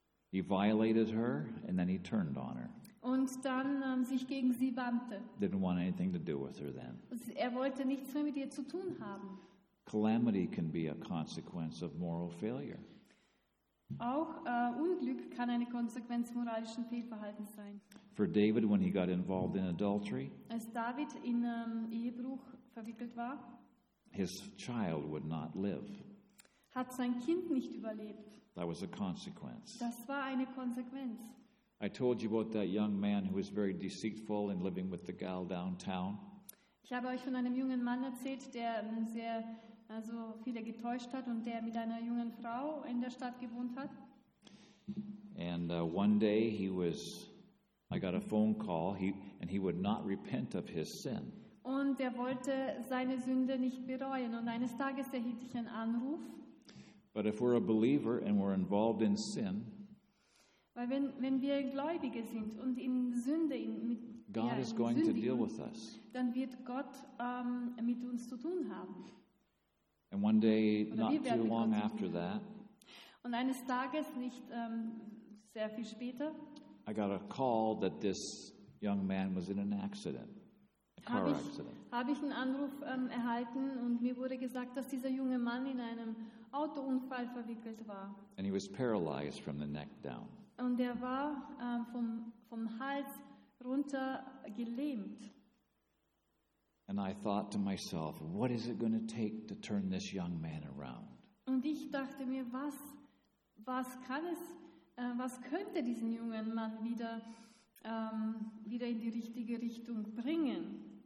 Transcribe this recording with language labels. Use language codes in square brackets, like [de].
[en] He violated her and then he turned on her. [de] Und dann sich gegen sie wandte. [en] Didn't want anything to do with her then. [de] Er wollte nichts mehr mit ihr zu tun haben. [en] Calamity can be a consequence of moral failure. [de] Auch Unglück kann eine Konsequenz moralischen Fehlverhaltens sein. [en] For David, when he got involved in adultery, [de] als David in Ehebruch verwickelt war, [en] his child would not live. [de] Hat sein Kind nicht überlebt. [en] That was a consequence. [de] Das war eine Konsequenz. [en] I told you about that young man who was very deceitful and living with the gal downtown. [de] Ich habe euch von einem jungen Mann erzählt, der sehr also viele getäuscht hat und der mit einer jungen Frau in der Stadt gewohnt hat. [en] And one day I got a phone call, and he would not repent of his sin. [de] Und er wollte seine Sünde nicht bereuen und eines Tages erhielt ich einen Anruf. [en] But if we're a believer and we're involved in sin, [de] weil wenn wir Gläubige sind und in Sünde mit [en] God is going to deal with us. [de] Dann wird Gott mit uns zu tun haben. [en] And one day, not too long after that, [de] und eines Tages, nicht sehr viel später, [en] I got a call that this young man was in an accident, a car accident. [de] Habe ich einen Anruf erhalten und mir wurde gesagt, dass dieser junge Mann in einem Autounfall verwickelt war. [en] And he was paralyzed from the neck down. [de] Und er war vom Hals runter gelähmt. [en] And I thought to myself, what is it going to take to turn this young man around? [de] Und ich dachte mir, was könnte diesen jungen Mann wieder in die richtige Richtung bringen?